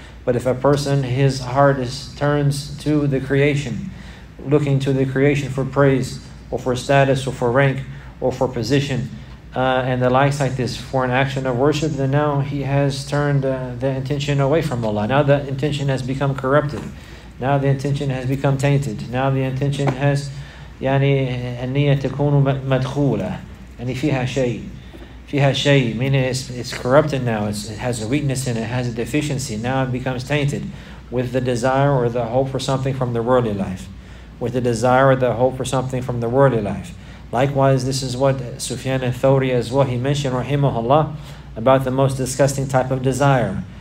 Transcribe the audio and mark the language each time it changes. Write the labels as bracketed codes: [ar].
[en] But if a person, his heart turns to the creation, looking to the creation for praise, or for status, or for rank, or for position, and the likes like this, for an action of worship, then now he has turned the intention away from Allah. Now the intention has become corrupted. Now the intention has become tainted. Now the intention has [ar] يعني النية تكون مدخولة يعني فيها شيء فيها شيء [en] meaning it's corrupted now. It has a weakness in it. It has a deficiency. Now it becomes tainted with the desire or the hope for something from the worldly life. With the desire or the hope for something from the worldly life. Likewise, this is what Sufyan al-Thawri as well, he mentioned, rahimahullah, about the most disgusting type of desire.